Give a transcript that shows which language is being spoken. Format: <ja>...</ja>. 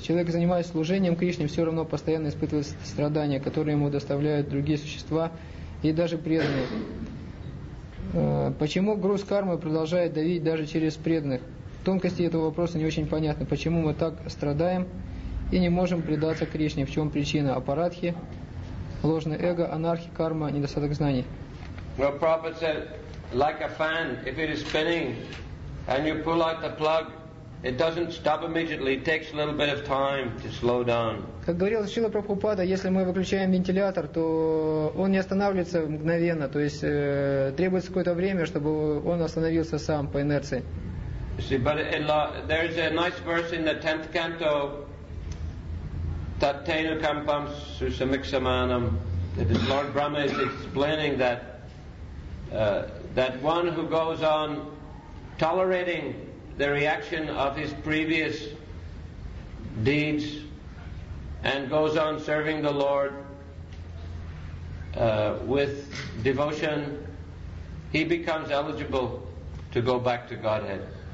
<ru>Человек, занимаясь служением Кришне, все равно постоянно испытывает страдания, которые ему доставляют другие существа и даже преданные. Почему груз кармы продолжает давить даже через преданных? Тонкости этого вопроса не очень понятны. Почему мы так страдаем и не можем предаться Кришне? В чем причина? Апарадхи, ложное эго, анархи, карма, недостаток знаний.</ru> <en>Well, Prabhupada said, like a fan, if it is spinning and you pull out the plug, it doesn't stop immediately. It takes a little bit of time to slow down.</en> <ru>Как говорил Шрила Прабхупада, если мы выключаем вентилятор, то он не останавливается мгновенно. То есть требуется какое-то время, чтобы он остановился сам по инерции.</ru> <en>See, but there is a nice verse in the 10th canto,</en> <sa>Tattenu Kampam Susamiksamanam.</sa> <en>that is Lord Brahma is explaining that that one who goes on tolerating the reaction of his previous deeds and goes on serving the Lord with devotion, he becomes eligible to go back to Godhead.</en>